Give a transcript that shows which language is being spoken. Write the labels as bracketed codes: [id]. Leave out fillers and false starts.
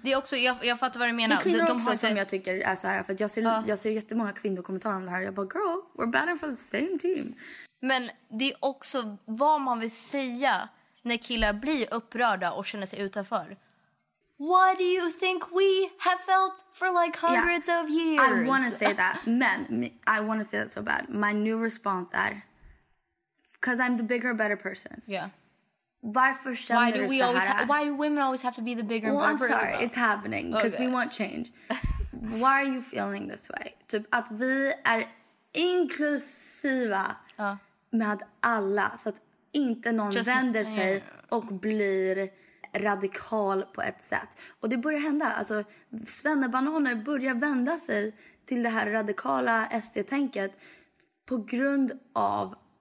[sv] Det är också, jag fattar vad du menar. Det är kvinnor också de som jag tycker är så här. För att jag ser jättemånga kvinnor kommentarer om det här. Jag bara, [en] girl, we're better for the same team. [sv] Men det är också vad man vill säga när killar blir upprörda och känner sig utanför. [en] What do you think we have felt for like hundreds of years? I want to say that. [sv] Men, [en] I want to say that so bad. My new response [sv] är, [en] because I'm the bigger, better person. Yeah. [sv] Varför känner du så här? [en] Why do women always have to be the bigger and better? Well, I'm sorry, it's happening. Because we want change. Why are you feeling this way? [sv] Typ att vi är inklusiva med alla. Så att inte någon just vänder sig och blir radikal på ett sätt. Och det börjar hända. Alltså, svennebananer börjar vända sig till det här radikala SD-tänket på grund av